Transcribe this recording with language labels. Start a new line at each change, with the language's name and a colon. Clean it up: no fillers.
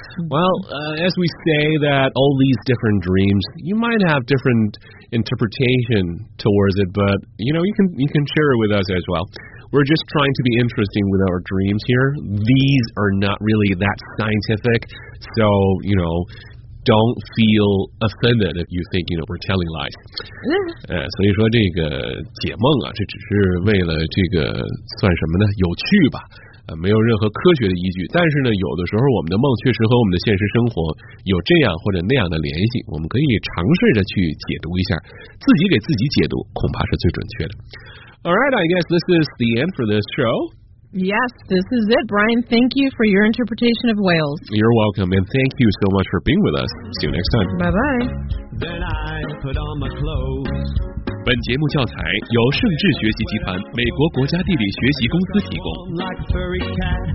English: Well, as we say that all these different dreams, you might have different interpretation towards it, but, you know, you can share it with us as well. We're just trying to be interesting with our dreams here. These are not really that scientific, so, you know, don't feel offended if you think, you know, we're telling lies.
Chinese: 所以说这个解梦啊，这只是为了这个算什么呢？有趣吧，没有任何科学的依据。但是呢，有的时候我们的梦确实和我们的现实生活有这样或者那样的联系，我们可以尝试着去解读一下，自己给自己解读，恐怕是最准确的。
English: All right, I guess this is the end for this show. Yes, this is it, Brian. Thank you for your interpretation of whales. You're welcome, and thank you so much for being with us. See you next time. Bye-bye. Then I put on my clothes.
Chinese: 本节目教材由盛智学习集团美国国家地理学习公司提供。